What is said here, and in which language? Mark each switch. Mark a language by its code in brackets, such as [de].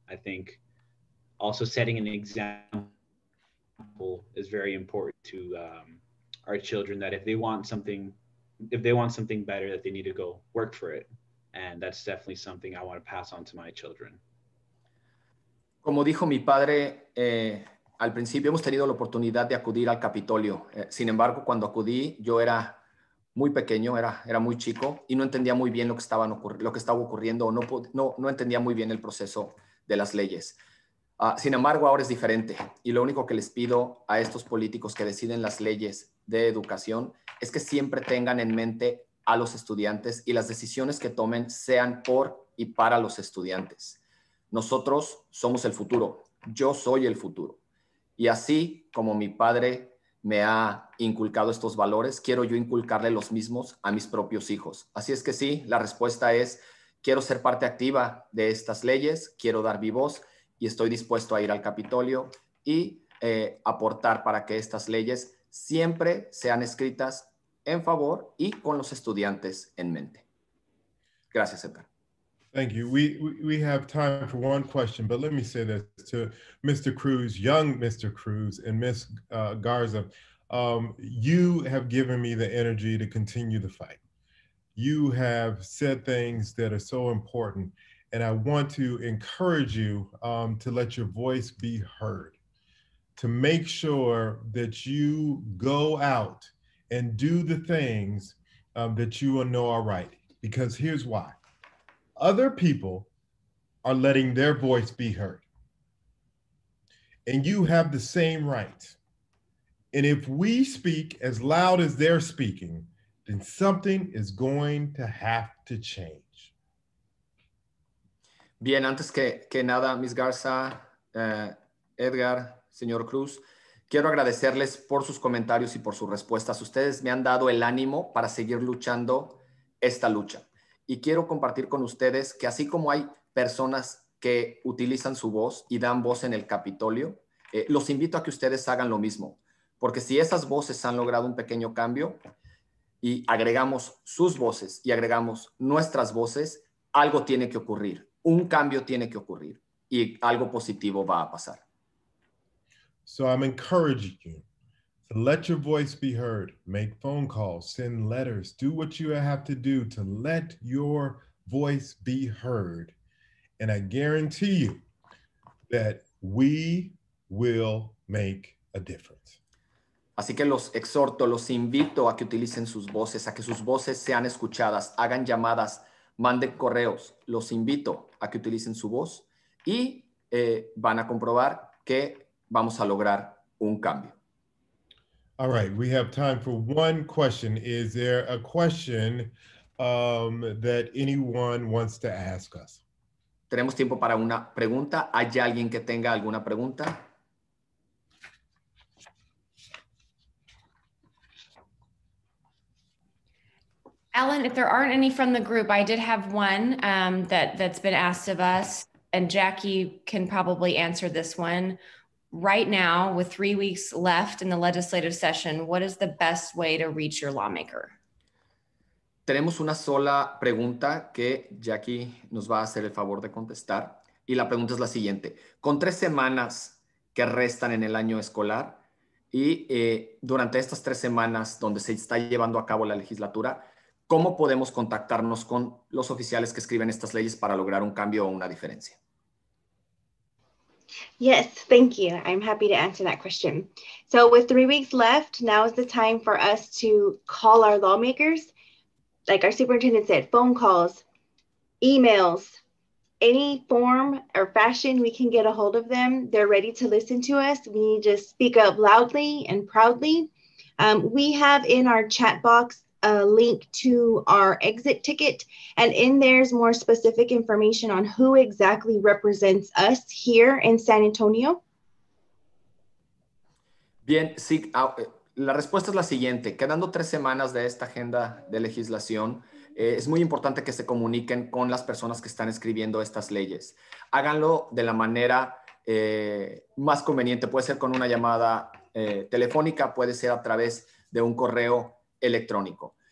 [en] I think also setting an example is very important to our children, that if they want something better, that they need to go work for it. And that's definitely something I want to pass on to my children. [es] Como dijo mi padre, al principio hemos tenido la oportunidad de acudir al Capitolio. Sin embargo, cuando acudí, yo era muy pequeño, era muy chico, y no entendía muy bien lo que estaba ocurriendo, o no entendía muy bien el proceso de las leyes. Sin embargo, ahora es diferente, y lo único que les pido a estos políticos que deciden las leyes de educación es que siempre tengan en mente a los estudiantes, y las decisiones que tomen sean por y para los estudiantes. Nosotros somos el futuro, yo soy el futuro. Y así como mi padre me ha inculcado estos valores, quiero yo inculcarle los mismos a mis propios hijos. Así es que sí, la respuesta es, quiero ser parte activa de estas leyes, quiero dar mi voz, y estoy dispuesto a ir al Capitolio y aportar para que estas leyes siempre sean escritas en favor y con los estudiantes en mente. Gracias, Edgar. [en] Thank you. We have time for one question, but let me say this to Mr. Cruz, young Mr. Cruz, and Ms. Garza. You have given me the energy to continue the fight. You have said things that are so important, and I want to encourage you to let your voice be heard, to make sure that you go out and do the things that you know are right. because here's why. Other people are letting their voice be heard. And you have the same right. And if we speak as loud as they're speaking, then something is going to have to change. [es] Bien, antes que nada, Ms. Garza, Edgar, señor Cruz, quiero agradecerles por sus comentarios y por sus respuestas. Ustedes me han dado el ánimo para seguir luchando esta lucha. Y quiero compartir con ustedes que así como hay personas que utilizan su voz y dan voz en el Capitolio, los invito a que ustedes hagan lo mismo. Porque si esas voces han logrado un pequeño cambio y agregamos sus voces y agregamos nuestras voces, algo tiene que ocurrir. Un cambio tiene que ocurrir y algo positivo va a pasar. [en] So I'm encouraging you to let your voice be heard, make phone calls, send letters, do what you have to do to let your voice be heard. And I guarantee you that we will make a difference. [es] Así que los exhorto, los invito a que utilicen sus voces, a que sus voces sean escuchadas, hagan llamadas, manden correos. Los invito a que utilicen su voz y van a comprobar que vamos a lograr un cambio. [en] All right, we have time for one question. Is there a question that anyone wants to ask us? [es] Tenemos tiempo para una pregunta. ¿Hay alguien que tenga alguna pregunta? [en] Alan, if there aren't any from the group, I did have one that's been asked of us, and Jackie can probably answer this one. Right now, with 3 weeks left in the legislative session, what is the best way to reach your lawmaker? [es] Tenemos una sola pregunta que Jackie nos va a hacer el favor de contestar, y la pregunta es la siguiente. Con 3 semanas que restan en el año escolar, y durante estas 3 semanas donde se está llevando a cabo la legislatura, ¿cómo podemos contactarnos con los oficiales que escriben estas leyes para lograr un cambio o una diferencia? [en] Yes, thank you. I'm happy to answer that question. So with 3 weeks left, now is the time for us to call our lawmakers. Like our superintendent said, phone calls, emails, any form or fashion we can get a hold of them. They're ready to listen to us. We need to speak up loudly and proudly. We have in our chat box a link to our exit ticket, and in there's more specific information on who exactly represents us here in San Antonio. [es] Bien, sí, la respuesta es la siguiente. Quedando 3 semanas de esta agenda de legislación, es muy importante que se comuniquen con las personas que están escribiendo estas leyes. Háganlo de la manera más conveniente. Puede ser con una llamada telefónica, puede ser a través de un correo electrónico.